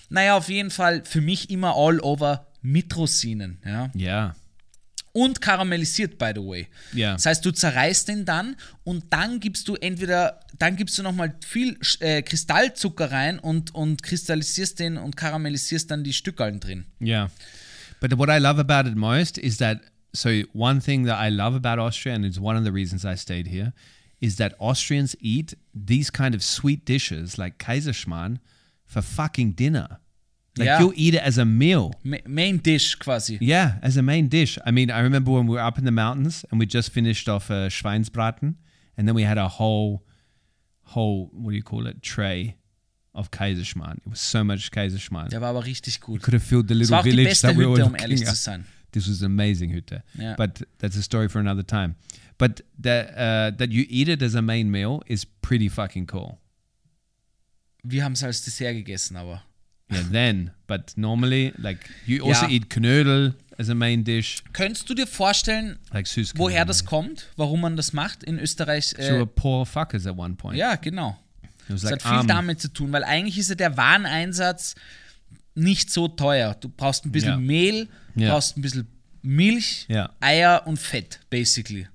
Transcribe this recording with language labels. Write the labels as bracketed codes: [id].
[de] Naja, auf jeden Fall für mich immer [en] all over [de] mit Rosinen. Ja. [en] Yeah. [de] Und karamellisiert, [en] by the way. Yeah. [de] Das heißt, du zerreißt den dann und dann gibst du entweder, dann gibst du nochmal viel Kristallzucker rein und kristallisierst den und karamellisierst dann die Stückerln drin. [en] Yeah. But what I love about it most is that, so one thing that I love about Austria, and it's one of the reasons I stayed here, is that Austrians eat these kind of sweet dishes like Kaiserschmarrn for fucking dinner. Like, yeah. You eat it as a meal. Main dish, quasi. Yeah, as a main dish. I mean, I remember when we were up in the mountains and we just finished off a Schweinsbraten and then we had a whole, what do you call it, tray of Kaiserschmarrn. It was so much Kaiserschmarrn. [de] Der war aber richtig gut. [en] You could have filled the little village that we were [de] Hütte, [en] looking [de] um ehrlich [en] at. [de] Zu sein. [en] This was an amazing Hütte. Yeah. But that's a story for another time. But that you eat it as a main meal is pretty fucking cool. [de] Wir haben es als Dessert gegessen, aber... [en] Yeah, then, but normally, like, you also eat Knödel as a main dish. [de] Könntest du dir vorstellen, like woher das kommt, warum man das macht in Österreich? [en] So were poor fuckers at one point. [de] Ja, genau. Es like, hat viel damit zu tun, weil eigentlich ist ja der Wareneinsatz nicht so teuer. Du brauchst ein bisschen Mehl, brauchst ein bisschen Milch, Eier und Fett, basically.